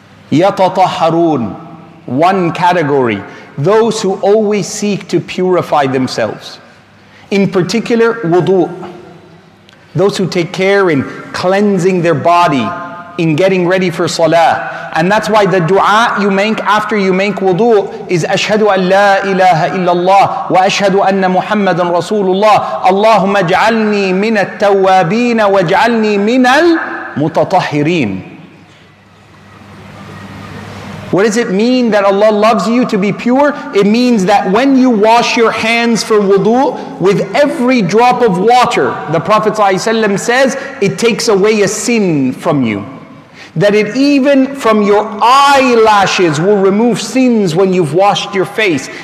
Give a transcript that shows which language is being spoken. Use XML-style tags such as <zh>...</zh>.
<en>يَتَطَحَّرُونَ. One category. Those who always seek to purify themselves. In particular, wudu. Those who take care in cleansing their body, in getting ready for salah. And that's why the dua you make after you make wudu is</en> <ar>أشهد أن لا إله إلا الله وأشهد أن محمدا رسول الله اللهم اجعلني من التوابين واجعلني من المتطهرين.</ar> <en>What does it mean that Allah loves you to be pure? It means that when you wash your hands for wudu, with every drop of water, the Prophet ﷺ says, it takes away a sin from you. That it even from your eyelashes will remove sins when you've washed your face.</en>